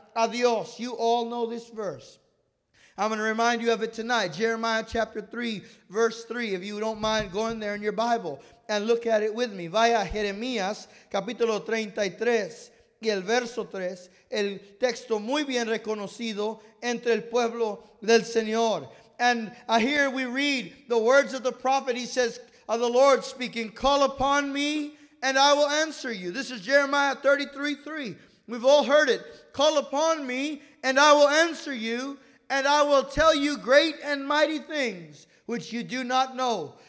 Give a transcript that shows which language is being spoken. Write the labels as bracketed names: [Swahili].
[Spanish] a Dios. [English] You all know this verse. I'm going to remind you of it tonight. Jeremiah chapter 3, verse 3. If you don't mind going there in your Bible and look at it with me. [Spanish] Vaya Jeremías, capítulo 33, y el verso 3. El texto muy bien reconocido entre el pueblo del Señor. [English] And here we read the words of the prophet. He says, of the Lord speaking, call upon me and I will answer you. This is Jeremiah 33, 3. We've all heard it. Call upon me and I will answer you. And I will tell you great and mighty things which you do not know.